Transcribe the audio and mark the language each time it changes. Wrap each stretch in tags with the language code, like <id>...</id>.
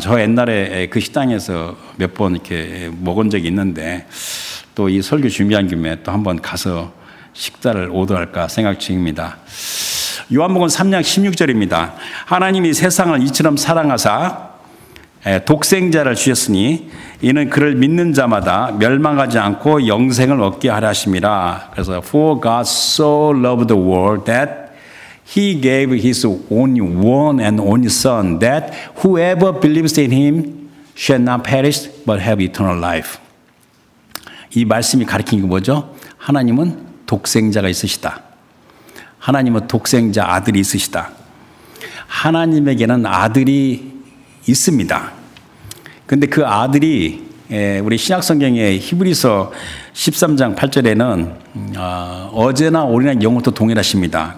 <ko>저 옛날에 그 식당에서 몇 번 이렇게 먹은 적이 있는데 또 이 설교 준비한 김에 또 한번 가서 식사를 오도할까 생각 중입니다. 요한복음 3장 16절입니다. 하나님이 세상을 이처럼 사랑하사 독생자를 주셨으니 이는 그를 믿는 자마다 멸망하지 않고 영생을 얻게 하려 하심이라. 그래서</ko> <en>For God so loved the world that He gave His only one and only Son that whoever believes in Him shall not perish but have eternal life.</en> <ko>이 말씀이 가르치는 게 뭐죠? 하나님은 독생자가 있으시다. 하나님은 독생자 아들이 있으시다. 하나님에게는 아들이 있습니다. 그런데 그 아들이 우리 신약성경의 히브리서 13장 8절에는 어제나 오늘이나 영원토록 동일하십니다.</ko>